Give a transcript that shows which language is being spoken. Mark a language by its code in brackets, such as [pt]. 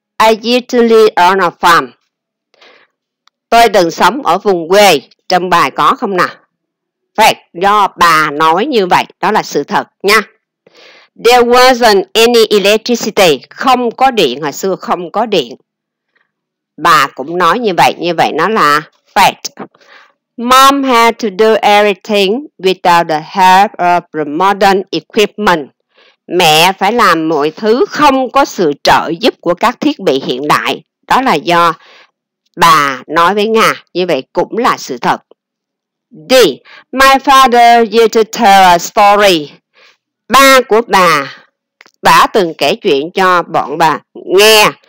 [en] I used to live on a farm. [vi] Tôi từng sống ở vùng quê. Trong bài có không nào? Fact. Do bà nói như vậy. Đó là sự thật nha. [en] There wasn't any electricity. [vi] Không có điện, hồi xưa không có điện. Bà cũng nói như vậy nó là fact. [en] Mom had to do everything without the help of the modern equipment. [vi] Mẹ phải làm mọi thứ không có sự trợ giúp của các thiết bị hiện đại. Đó là do bà nói với Nga, như vậy cũng là sự thật. D. [en] My father used to tell a story. [vi] Ba của bà đã từng kể chuyện cho bọn bà nghe.